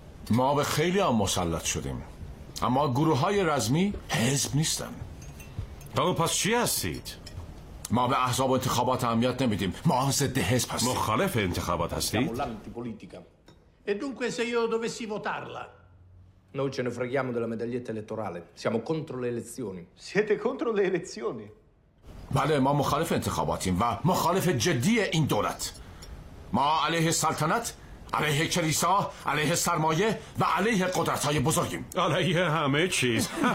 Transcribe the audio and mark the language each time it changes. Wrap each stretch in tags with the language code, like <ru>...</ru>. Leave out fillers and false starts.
<fa>ما به خیلی هم مسلط شدیم، اما گروه های رزمی حزب نیستن. پس چی هستید؟ ما به احزاب و انتخابات اهمیت نمیدیم، ما ضد حزب هستیم. مخالف انتخابات هستید؟</fa> <it>e dunque se io dovessi votarla. Noi ce ne freghiamo della medaglietta elettorale. Siamo contro le elezioni. Siete contro le elezioni?</it> <fa>بله، ما مخالف انتخاباتیم و مخالف جدی این دولت. ما علیه سلطنت، علیه کلیسا، علیه سرمایه و علیه قدرت‌های بزرگیم. علیه همه چیز.</fa>